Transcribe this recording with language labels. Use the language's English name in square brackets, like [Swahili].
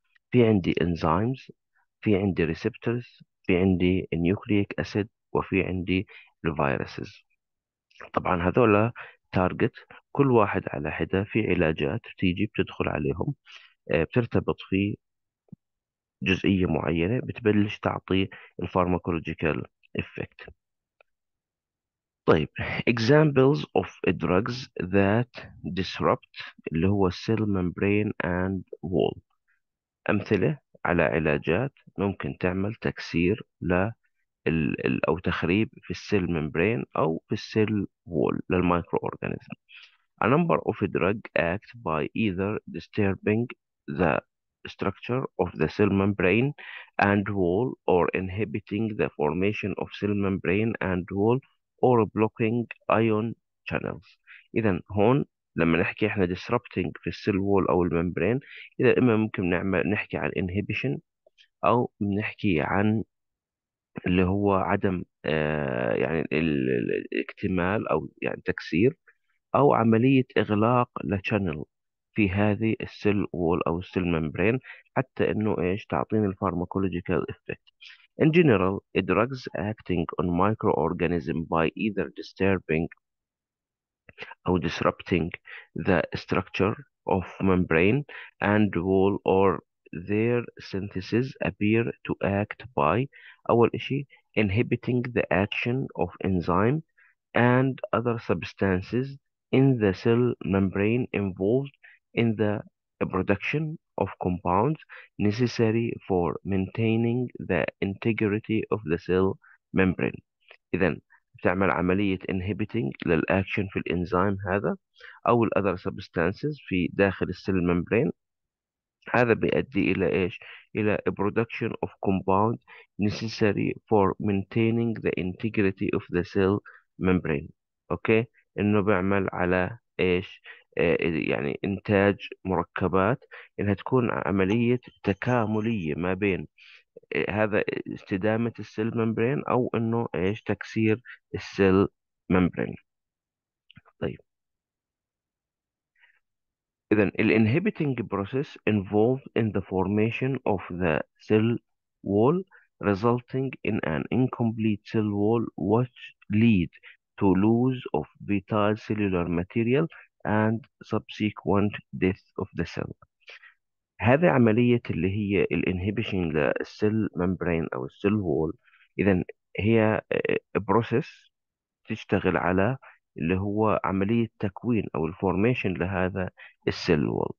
[Arabic] في عندي انزيمز، في عندي ريسبتورز، في عندي النيوكليك أسيد، وفي عندي الفيروسز. طبعا هذول تارجت، كل واحد على حدة في علاجات تيجي بتدخل عليهم، بترتبط في جزئية معينة بتبلش تعطي الفارماكولوجيكال افكت. [English] طيب، examples of drugs that disrupt [Arabic] اللي هو [English] cell membrane and wall. [Arabic] أمثلة على علاجات ممكن تعمل تكسير أو تخريب في cell membrane أو في cell wall للمايكرو أورجانيزم. [English] A number of drug act by either disturbing the structure of the cell membrane and wall or inhibiting the formation of cell membrane and wall or blocking ion channels. [Arabic] إذا هون لما نحكي احنا disrupting في السيل وول أو الممبرين، إذا إما ممكن نعمل نحكي عن inhibition أو نحكي عن اللي هو عدم يعني الاكتمال أو يعني تكسير، أو عملية إغلاق لشانل في هذه السيل وول أو السيل ممبرين، حتى إنه إيش تعطيني الفارماكولوجيكال إفكت. [English] In general, a drug acting on microorganism by either disturbing or disrupting the structure of membrane and wall or their synthesis appear to act by [Arabic] أول إشي [English] inhibiting the action of enzyme and other substances in the cell membrane involved in the production of compounds necessary for maintaining the integrity of the cell membrane. [Arabic] إذا تعمل عملية inhibiting للأكشن في الإنزيم هذا أو الـ [English] other substances [Arabic] في داخل السيل membrane. هذا بيؤدي إلى إيش؟ إلى [English] a production of compound necessary for maintaining the integrity of the cell membrane. [Arabic] أوكي؟ إنه بيعمل على إيش؟ يعني إنتاج مركبات إنها تكون عملية تكاملية ما بين هذا استدامة السيل ممبرين أو إنه إيش تكسير السيل ممبرين. طيب إذن الـ [English] inhibiting process involved in the formation of the cell wall resulting in an incomplete cell wall which lead to loss of vital cellular material and subsequent death of the cell. [Arabic] هذه عملية اللي هي الـ inhibition للـ cell membrane أو الـ cell wall. إذن هي [English] a process [Arabic] تشتغل على اللي هو عملية تكوين أو الـ formation لهذا الـ cell wall.